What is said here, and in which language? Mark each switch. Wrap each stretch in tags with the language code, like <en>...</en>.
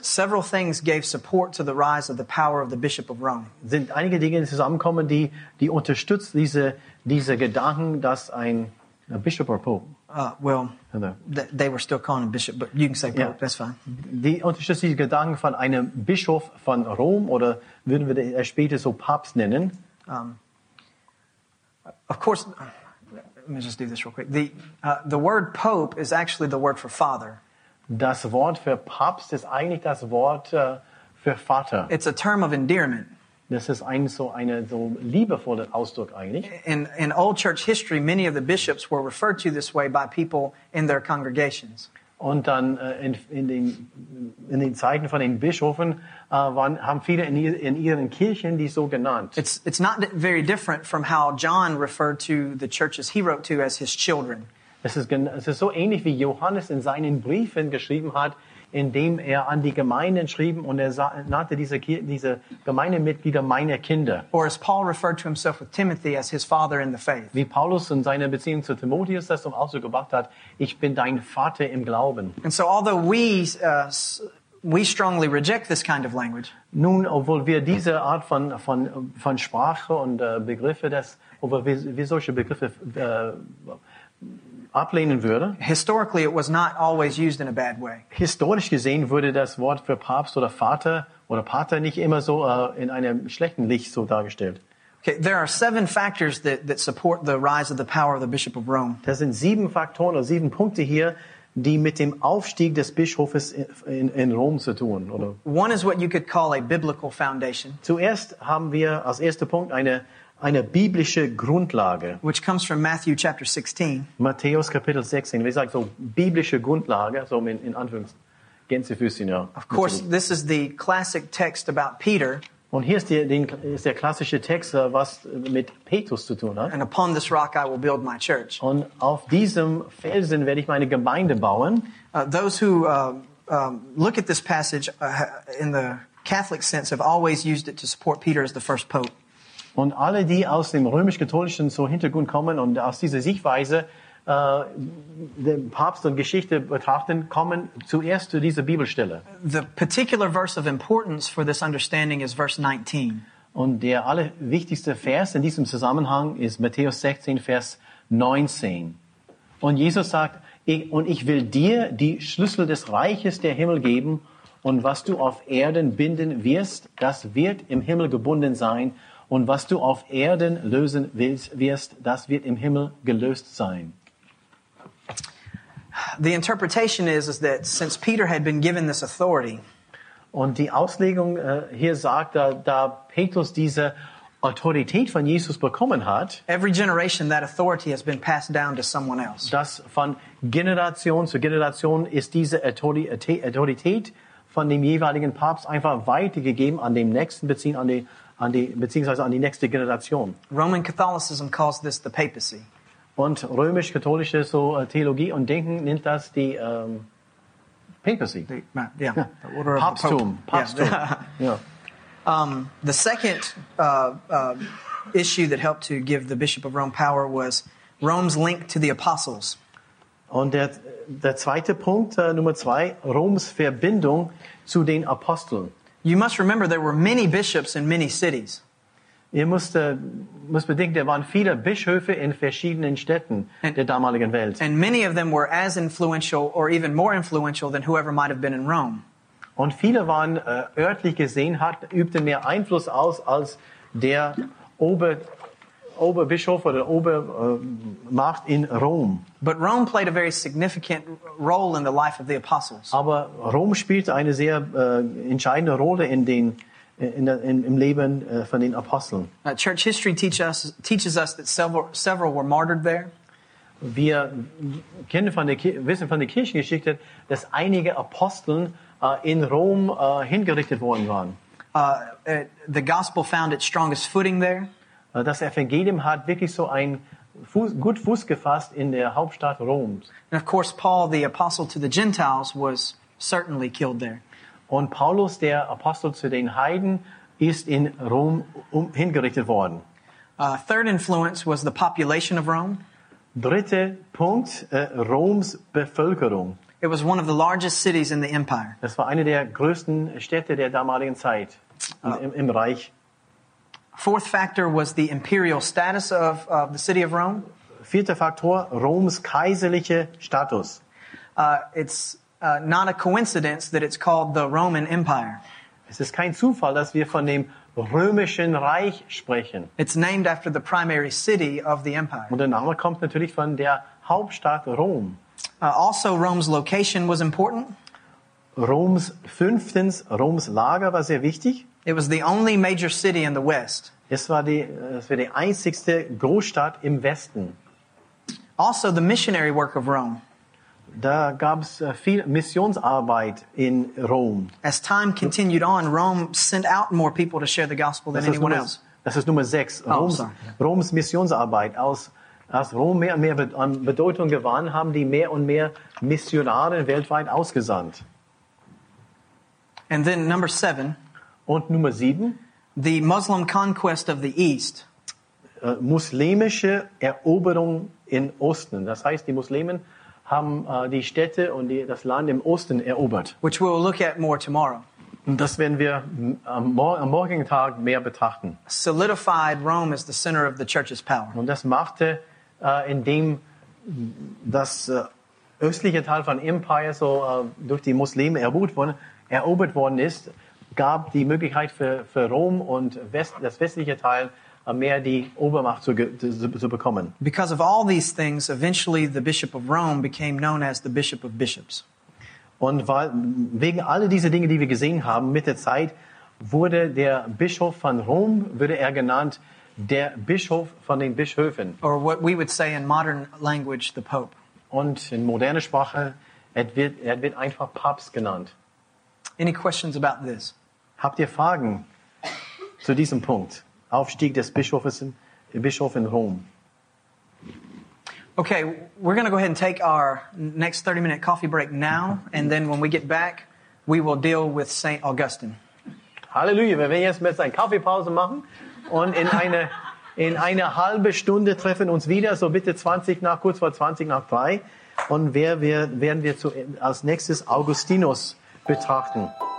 <en>Several things gave support to the rise of the power of the Bishop of Rome.</en> <de>Sind einige Dinge zusammengekommen, die unterstützt diese Gedanken, dass ein Bishop</de> <en>or Pope. They were still calling him Bishop, but you can say Pope, yeah. That's fine.</en> <de>Die unterstützt diese Gedanken von einem Bischof von Rom, oder würden wir das später so Papst nennen?</de> <en>Of course, let me just do this real quick. The word Pope is actually the word for father.</en> <de>Das Wort für Papst ist eigentlich das Wort für Vater.</de> <en>It's a term of endearment.</en> <de>Das ist so liebevoller Ausdruck eigentlich.</de> <en>In old church history, many of the bishops were referred to this way by people in their congregations.</en> <de>Und dann in den Zeiten von den Bischöfen haben viele in ihren Kirchen die so genannt.</de> <en>It's not very different from how John referred to the churches he wrote to as his children.</en> <de>Es ist so ähnlich wie Johannes in seinen Briefen geschrieben hat, indem er an die Gemeinden schrieb und er nannte diese Gemeindemitglieder meine Kinder.</de> <en>Or as Paul referred to himself with Timothy as his father in the faith.</en> <de>Wie Paulus in seiner Beziehung zu Timotheus das zum Ausdruck gebracht hat, ich bin dein Vater im Glauben.</de> <en>And so although we strongly reject this kind of language.</en> <de>Nun, obwohl wir diese Art von Sprache und Begriffe, obwohl wir solche Begriffe ablehnen würde.</de> <en>Historically, it was not always used in a bad way.</en> <de>Historisch gesehen wurde das Wort für Papst oder Vater oder Pater nicht immer so in einem schlechten Licht so dargestellt.</de> <en>Okay, there are seven factors that support the rise of the power of the Bishop of Rome.</en> <de>Das sind sieben Faktoren oder sieben Punkte hier, die mit dem Aufstieg des Bischofes in Rom zu tun, oder?</de> <en>One is what you could call a biblical foundation.</en> <de>Zuerst haben wir als erster Punkt eine biblische Grundlage.</de> <en>Which comes from Matthew chapter 16.</en> <de>Matthäus Kapitel 16. Wie gesagt, so biblische Grundlage, so in Anführungszeichen, Gänsefüßchen, ja.</de> <en>Of course, this is the classic text about Peter.</en> <de>Und hier ist der klassische Text, was mit Petrus zu tun hat.</de> <en>And upon this rock I will build my church.</en> <de>Und auf diesem Felsen werde ich meine Gemeinde bauen.</de> <en>Those who look at this passage in the Catholic sense have always used it to support Peter as the first pope.</en> <de>Und alle, die aus dem römisch-katholischen so Hintergrund kommen und aus dieser Sichtweise, den Papst und Geschichte betrachten, kommen zuerst zu dieser Bibelstelle.</de> <en>The particular verse of importance for this understanding is verse 19.</en> <de>Und der allerwichtigste Vers in diesem Zusammenhang ist Matthäus 16, Vers 19. Und Jesus sagt, und ich will dir die Schlüssel des Reiches der Himmel geben, und was du auf Erden binden wirst, das wird im Himmel gebunden sein, und was du auf Erden lösen wirst, das wird im Himmel gelöst sein.</de> <en>The interpretation is that since Peter had been given this authority,</en> <de>und die Auslegung hier sagt, da Petrus diese Autorität von Jesus bekommen hat,</de> <en>every generation that authority has been passed down to someone else.</en> <de>Dass von Generation zu Generation ist diese Autorität von dem jeweiligen Papst einfach weitergegeben an dem nächsten beziehungsweise an die nächste Generation.</de> <en>Roman Catholicism calls this the papacy.</en> <de>Und römisch-katholische so Theologie und Denken nennt das die papacy. Papsttum.</de> <en>Yeah. The second issue that helped to give the Bishop of Rome power was Rome's link to the apostles.</en> <de>Und der zweite Punkt, Nummer zwei, Roms Verbindung zu den Aposteln.</de> <en>You must remember there were many bishops in many cities.</en> <de>Ihr müsst bedenken, da waren viele Bischöfe in verschiedenen Städten der damaligen Welt.</de> <en>And many of them were as influential or even more influential than whoever might have been in Rome.</en> <de>Und viele waren örtlich gesehen, übten mehr Einfluss aus als der Oberbischof oder Obermacht in Rom.</de> <en>But Rome played a very significant role in the life of the apostles.</en> <de>Aber Rom spielte eine sehr entscheidende Rolle im Leben von den Aposteln.</de> <en>Church history teaches us that several were martyred there.</en> <de>Wir wissen von der Kirchengeschichte, dass einige Aposteln in Rom hingerichtet worden waren.</de> <en>The gospel found its strongest footing there.</en> <de>Das Evangelium hat wirklich so ein gut Fuß gefasst in der Hauptstadt Roms.</de> <en>And of course, Paul, the apostle to the Gentiles, was certainly killed there.</en> <de>Und Paulus, der Apostel zu den Heiden, ist in Rom hingerichtet worden.</de> <en>Third influence was the population of Rome.</en> <de>Dritte Punkt, Roms Bevölkerung.</de> <en>It was one of the largest cities in the empire.</en> <de>Es war eine der größten Städte der damaligen Zeit im Reich.</de> <en>Fourth factor was the imperial status of the city of Rome.</en> <de>Vierter Faktor, Roms kaiserliche Status.</de> <en>It's not a coincidence that it's called the Roman Empire.</en> <de>Es ist kein Zufall, dass wir von dem Römischen Reich sprechen.</de> <en>It's named after the primary city of the empire.</en> <de>Und der Name kommt natürlich von der Hauptstadt Rom.</de> <en>Also, Rome's location was important.</en> <de>Roms Lager war sehr wichtig.</de> <en>It was the only major city in the West.</en> <de>Es war die einzigste Großstadt im Westen.</de> <en>Also the missionary work of Rome.</en> <de>Da gab's viel Missionsarbeit in Rom.</de> <en>As time continued on, Rome sent out more people to share the gospel than anyone else.</en> <de>Das ist Nummer 6. Roms Missionsarbeit. Als Rom mehr und mehr an Bedeutung gewann, haben die mehr und mehr Missionare weltweit ausgesandt.</de> <en>And then number 7.</en> <de>Und Nummer 7,</de> <en>the Muslim conquest of the East.</en> <de>Muslimische Eroberung im Osten. Das heißt, die Muslimen haben die Städte und das Land im Osten erobert.</de> <en>Which we'll look at more tomorrow.</en> <de>Und das werden wir am morgigen Tag mehr betrachten.</de> <en>Solidified Rome as the center of the church's power.</en> <de>Und das machte, indem das östliche Teil von Empire so durch die Muslime erobert worden ist, gab die Möglichkeit für Rom und das westliche Teil mehr die Obermacht zu bekommen.</de> <en>Because of all these things, eventually the Bishop of Rome became known as the Bishop of Bishops.</en> <de>Und wegen all dieser Dinge, die wir gesehen haben, mit der Zeit wurde der Bischof von Rom, wurde er genannt, der Bischof von den Bischöfen.</de> <en>Or what we would say in modern language, the Pope.</en> <de>Und in moderner Sprache, er wird einfach Papst genannt.</de> <en>Any questions about this?</en> <de>Habt ihr Fragen zu diesem Punkt? Aufstieg des Bischofs in Rom.</de> <en>Okay, we're going to go ahead and take our next 30-minute coffee break now, and then when we get back, we will deal with St. Augustine.</en> <de>Halleluja, wir werden jetzt mit einer Kaffeepause machen und in eine In einer halben Stunde treffen uns wieder, so bitte 20 nach, kurz vor 20 nach 3. Und werden wir als nächstes Augustinus betrachten.</de>